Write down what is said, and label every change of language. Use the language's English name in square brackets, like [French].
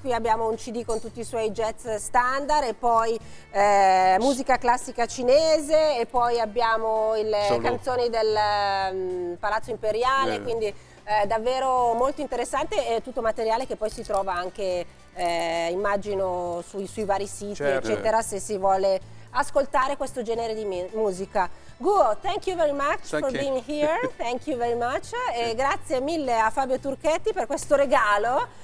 [Italian] Qui abbiamo un CD con tutti i suoi jazz standard e poi musica classica cinese e poi abbiamo le canzoni del Palazzo Imperiale, quindi davvero molto interessante, e tutto materiale che poi si trova anche immagino sui vari siti, certo, eccetera, se si vuole ascoltare questo genere di musica. [English] Guo, thank you very much for being here. Thank you very much. [Italian] E grazie mille a Fabio Turchetti per questo regalo.